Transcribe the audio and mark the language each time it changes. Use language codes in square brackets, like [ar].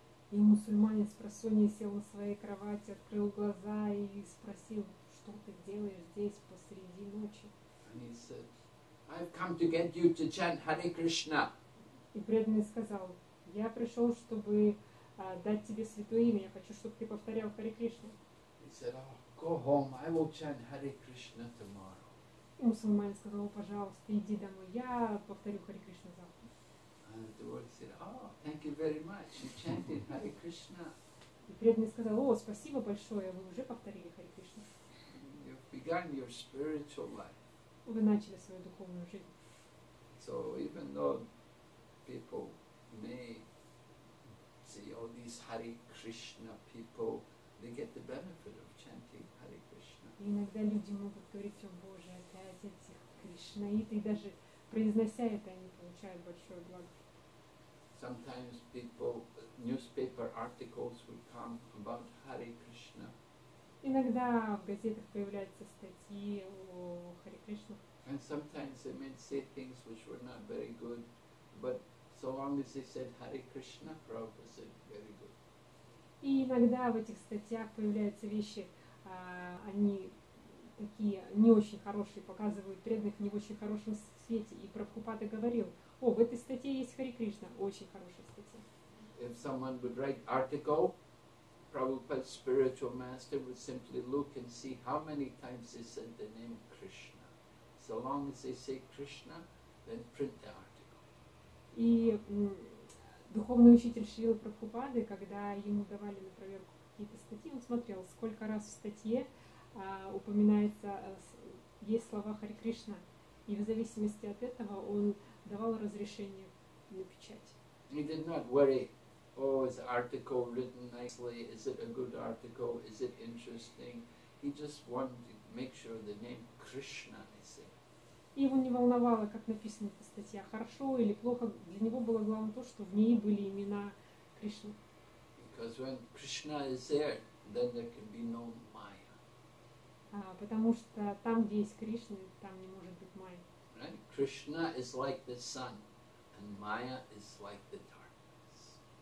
[ru] И мусульманин с просонья сел на своей кровати, открыл глаза и спросил, что ты делаешь здесь посреди ночи? [en] And he said, I've come to get you to chant Hare Krishna. [ru] И преданный сказал, я пришел, чтобы дать тебе святое имя, я хочу, чтобы ты повторял Хари Кришну. [en] He said, oh, go home, I will chant Hare Krishna tomorrow. [ru] Мусульманин сказал, пожалуйста, иди домой, я повторю Хари Кришна завтра. [en] And the devotee said, oh, thank you very much, you chanted Hare Krishna. [ru] И преданный сказал, о, спасибо большое, вы уже повторили Хари Кришна. [en] You've begun your spiritual life. [ru] Вы начали свою духовную жизнь. [en] So even though people may see all these Hare Krishna people, they get the benefit of chanting Hare Krishna. [ru] Иногда люди могут говорить, о Боже, опять этих кришнаиты, и даже произнося это, они получают большое благо. [en] Sometimes people, newspaper articles would come about Hare Krishna. [ru] Иногда в газетах появляются статьи о Хари Кришне. [en] And sometimes they may say things which were not very good, but so long as they said Hare Krishna, Prabhupada said very good. [ru] И иногда в этих статьях появляются вещи, они такие не очень хорошие, показывают преданных не в очень хорошем свете. И Прабхупада говорил, о, в этой статье есть Хари Кришна, очень хорошая статья. [en] If someone would write article, Prabhupada's spiritual master would simply look and see how many times they said the name Krishna. So long as they say Krishna, then print the article. [ru] И духовный учитель Шрилы Прабхупады, когда ему давали на проверку какие-то статьи, он смотрел, сколько раз в статье упоминается, есть слова Хари Кришна. И в зависимости от этого он давал разрешение на печать. [en] He did not worry, oh, is the article written nicely? Is it a good article? Is it interesting? He just wanted to make sure the name Krishna is there. [ru] И его не волновало, как написана эта статья, хорошо или плохо. Для него было главное то, что в ней были имена Кришны. [en] Because when Krishna is there, then there can be no Maya. [ru] Потому что там, где есть Кришна, там не может быть Майя. [en] Right? Krishna is like the sun, and Maya is like the darkness.